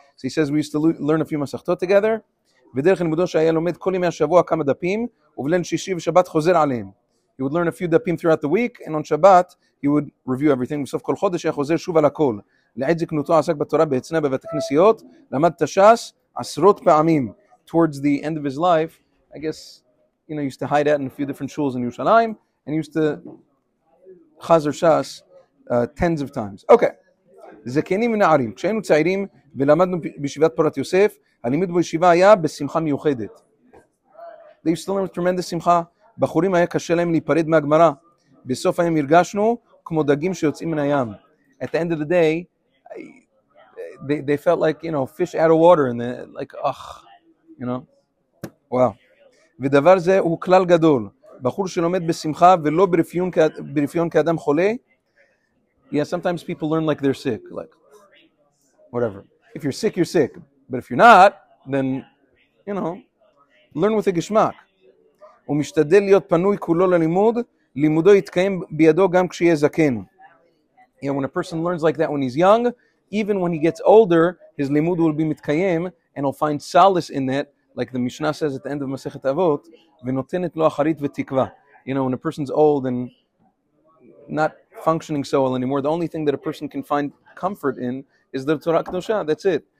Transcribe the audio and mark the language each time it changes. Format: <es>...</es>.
<en>So he says, we used to learn a few masachtot together.</en> <he>ודרך לימודו שהיה לומד כל ימי השבוע כמה דפים, ובליל שישי ושבת חוזר עליהם.</he> <en>He would learn a few דפים throughout the week, and on Shabbat, he would review everything.</en> <he>בסוף כל חודש היה חוזר שוב על הכל. לעת זקנותו עסק בתורה בהצנה בבית הכנסיות, למד תש"ס עשרות פעמים.</he> <en>Towards the end of his life, I guess, you know, he used to hide out in a few different shuls in Yerushalayim, and he used to chazer shas tens of times. Okay.</en> <he>זקנים ונערים, כשהיינו צעירים ולמדנו בישיבת פורת יוסף, הלימוד בישיבה היה בשמחה מיוחדת.</he> <en>They used to learn with tremendous שמחה.</en> <he>בחורים היה קשה להם להיפרד מהגמרא. בסוף היום הרגשנו כמו דגים שיוצאים מן הים.</he> <en>At the end of the day, they felt like, you know, fish out of water, and they're like, ugh, you know, wow.</en> <he>ודבר זה הוא כלל גדול. בחור שלומד בשמחה ולא ברפיון כאדם חולה,</he> <en>yeah, sometimes people learn like they're sick, like, whatever. If you're sick, you're sick. But if you're not, then, you know, learn with a gishmak.</en> <he>ומשתדל להיות פנוי כולו ללימוד, לימודו יתקיים בידו גם כשיהיה זקן.</he> <en>Yeah, when a person learns like that when he's young, even when he gets older, his limud will be mitkayem, and he'll find solace in that, like the Mishnah says at the end of Masechet Avot,</en> <he>ונותנת לו אחרית ותקווה.</he> <en>You know, when a person's old and not functioning so well anymore, the only thing that a person can find comfort in is the Torah Kedosha. That's it.</en>